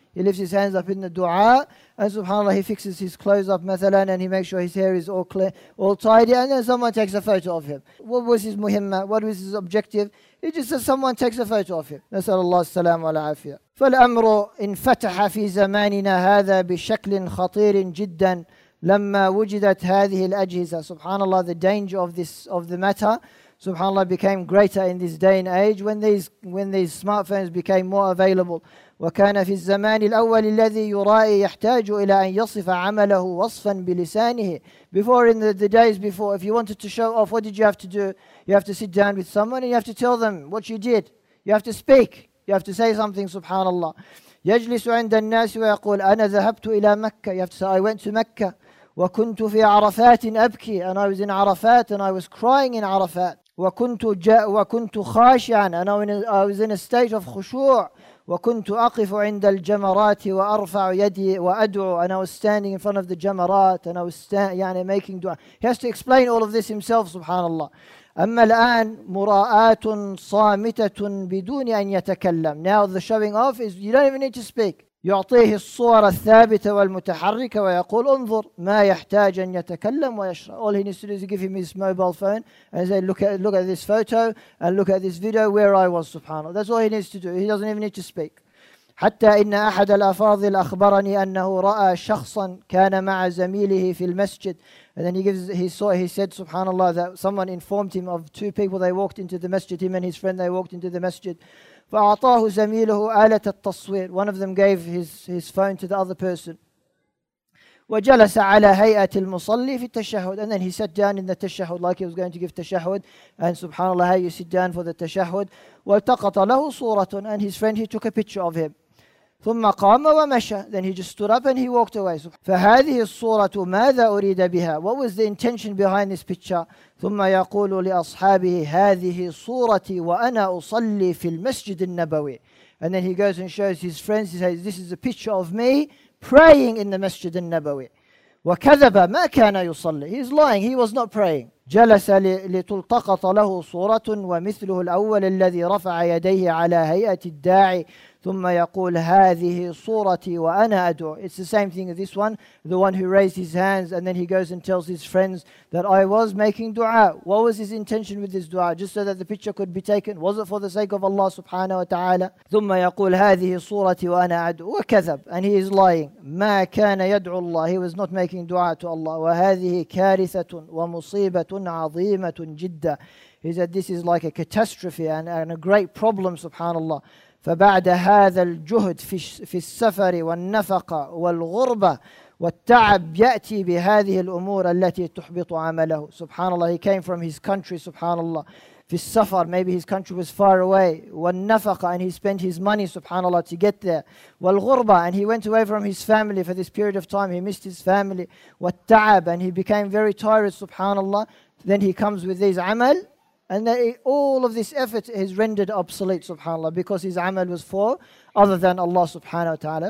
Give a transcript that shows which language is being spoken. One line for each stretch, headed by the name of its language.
English: He lifts his hands up in the dua, and subhanAllah, he fixes his clothes up, mathalan, and he makes sure his hair is all clear, all tidy, and then someone takes a photo of him. What was his muhimma? What was his objective? He just says someone takes a photo of him.
Arabic: نسأل الله السلام والعافية. فالأمر انفتح في زماننا هذا بشكل خطير جدا لما وجدت هذه الأجهزة.
English: SubhanAllah, the danger of this, of the matter, subhanAllah, became greater in this day and age when these smartphones became more available.
Arabic: وكان في الزمان الأول الذي يرائي يحتاج إلى أن يصف عمله وصفا بلسانه.
English: Before, in the days before, if you wanted to show off, what did you have to do? You have to sit down with someone and you have to tell them what you did. You have to speak. You have to say something, subhanAllah.
Arabic: يجلس عند الناس ويقول أنا ذهبت إلى مكة.
English: You have to say, I went to Mecca.
Arabic: وكنت في عرفات أبكي.
English: And I was in عرفات and I was crying in عرفات.
Arabic: وكنت خاشعا.
English: And I was in a state of خشوع.
Arabic: وكنت أقف عند الجمرات وأرفع يدي وأدعو.
English: And I was standing in front of the جمرات and I was stand, يعني making dua. He has to explain all of this himself, subhanAllah.
Arabic: أما الآن مراءة صامتة بدون أن يتكلم.
English: Now the showing off is you don't even need to speak.
Arabic: يعطيه الصور الثابتة والمتحركة ويقول انظر ما يحتاج أن يتكلم ويشرح.
English: All he needs to do is give him his mobile phone and say look at this photo and look at this video where I was, subhanAllah. That's all he needs to do. He doesn't even need to speak.
Arabic: حتى إن أحد الأفاضل أخبرني أنه رأى شخصا كان مع زميله في المسجد.
English: And then he said, subhanAllah, that someone informed him of two people, they walked into the masjid, him and his friend, they walked into the masjid.
Arabic: فأعطاه زميله آلة التصوير.
English: One of them gave his phone to the other person.
Arabic: وجلس على هيئة المصلي في التشهد.
English: And then he sat down in the تشهد, like he was going to give تشهد. And subhanAllah, how you sit down for the تشهد.
Arabic: والتقط له صورة.
English: And his friend, he took a picture of him.
Arabic: ثم قام ومشى.
English: Then he just stood up and he walked away.
Arabic: فهذه الصورة ماذا أريد بها?
English: What was the intention behind this picture?
Arabic: ثم يقول لأصحابه هذه صورتي وأنا أصلي في المسجد النبوي.
English: And then he goes and shows his friends. He says, this is a picture of me praying in the Masjid النبوي.
Arabic: وكذب ما كان يصلي.
English: He's lying. He was not praying.
Arabic: جلس لتلتقط له صورة ومثله الأول الذي رفع يديه على هيئة الداعي ثم يقول هذه صورتي وأنا أدعو.
English: It's the same thing as this one, the one who raised his hands and then he goes and tells his friends that I was making dua. What was his intention with this dua? Just so that the picture could be taken. Was it for the sake of Allah subhanahu wa ta'ala?
Arabic: ثم يقول هذه صورتي وأنا أدعو. وكذب.
English: And he is lying.
Arabic: ما كان يدعو الله.
English: He was not making dua to Allah.
Arabic: وهذه كارثة ومصيبة عظيمة جدا.
English: He said this is like a catastrophe and a great problem, subhanAllah.
Arabic: فبعد هذا الجهد في السفر والنفقة والغربة والتعب يأتي بهذه الأمور التي تحبط عمله.
English: Subhanallah, he came from his country, subhanAllah.
Arabic: في السفر,
English: maybe his country was far away.
Arabic: والنفقة,
English: and he spent his money, subhanAllah, to get there.
Arabic: والغربة,
English: and he went away from his family for this period of time. He missed his family.
Arabic: والتعب,
English: and he became very tired, subhanAllah. Then he comes with these عمل. And that all of this effort is rendered obsolete, subhanAllah, because his amal was for other than Allah subhanahu wa ta'ala.